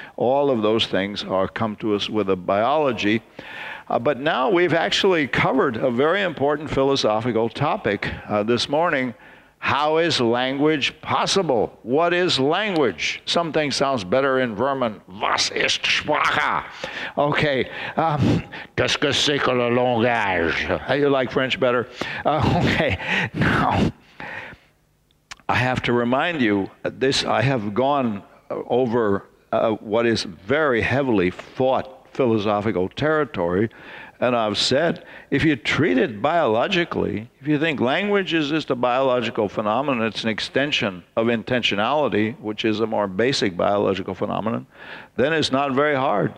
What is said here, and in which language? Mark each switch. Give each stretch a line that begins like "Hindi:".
English: All of those things come to us with a biology. But now we've actually covered a very important philosophical topic this morning. How is language possible? What is language? Something sounds better in German.
German: Was ist Sprache? Okay.
French: Qu'est-ce que c'est que le langage?
English: You like French better? Okay. Now, I have to remind you, I have gone over what is very heavily fought philosophical territory. And I've said, if you treat it biologically, if you think language is just a biological phenomenon, it's an extension of intentionality, which is a more basic biological phenomenon, then it's not very hard.